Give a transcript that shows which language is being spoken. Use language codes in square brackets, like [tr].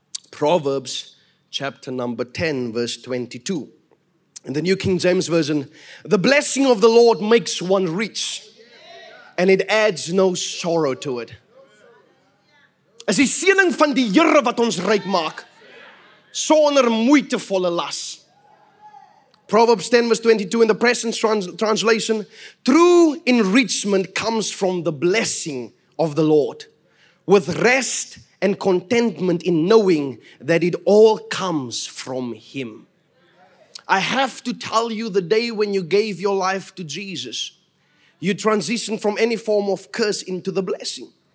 [en] Proverbs chapter number 10, verse 22. In the New King James Version, the blessing of the Lord makes one rich and it adds no sorrow to it. [af] Is die seëning van die Here wat ons ryk maak sonder moeitevolle las. [en] Proverbs 10, verse 22 in the present translation, true enrichment comes from the blessing of the Lord with rest and contentment in knowing that it all comes from Him. I have to tell you, the day when you gave your life to Jesus, you transitioned from any form of curse into the blessing.